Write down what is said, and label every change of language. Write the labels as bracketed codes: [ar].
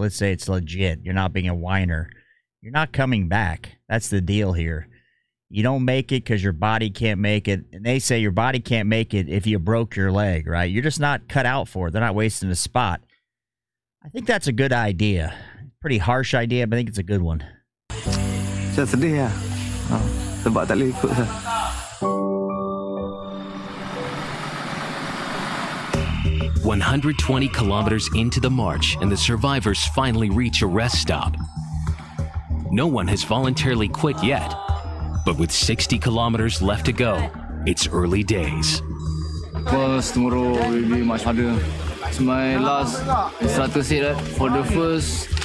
[en] Let's say it's legit, you're not being a whiner. You're not coming back. That's the deal here. You don't make it because your body can't make it. And they say your body can't make it if you broke your leg, right? You're just not cut out for it. They're not wasting a spot. I think that's a good idea. Pretty harsh idea, but I think it's a good one. Just a day, yeah. [ms] Sebab tak boleh ikut saya. Huh? [en] 120 kilometers into the march, and the survivors finally reach a rest stop. No one has voluntarily quit yet, but with 60 kilometers left to go, it's early days. First, tomorrow will be much harder. It's my last instructor said that for the first